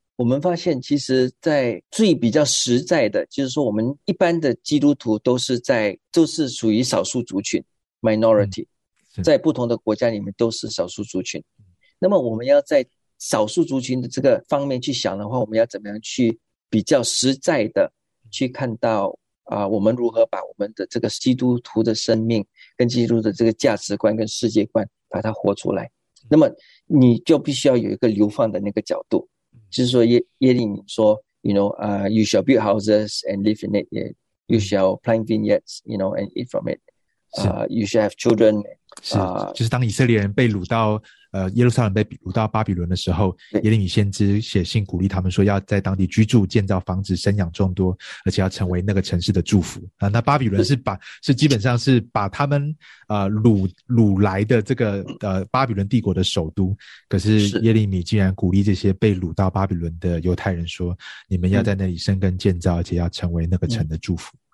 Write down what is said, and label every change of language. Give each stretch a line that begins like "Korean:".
Chinese: 我们发现其实在最比较实在的就是说，我们一般的基督徒都是属于少数族群 minority， 在不同的国家里面都是少数族群。那么我们要在少数族群的这个方面去想的话，我们要怎么样去比较实在的去看到我们如何把我们的这个基督徒的生命跟基督的这个价值观跟世界观把它活出来。那么你就必须要有一个流放的那个角度，就是说耶利米说
English: you know you shall build houses and live in it， you shall plant vineyards you know and eat from it， you shall have children，
Chinese: 就是当以色列人被掳到耶路撒冷被掳到巴比伦的时候，耶利米先知写信鼓励他们说要在当地居住建造房子生养众多，而且要成为那个城市的祝福啊。那巴比伦是基本上是把他们掳来的这个巴比伦帝国的首都，可是耶利米竟然鼓励这些被掳到巴比伦的犹太人说，你们要在那里生根建造，而且要成为那个城的祝福。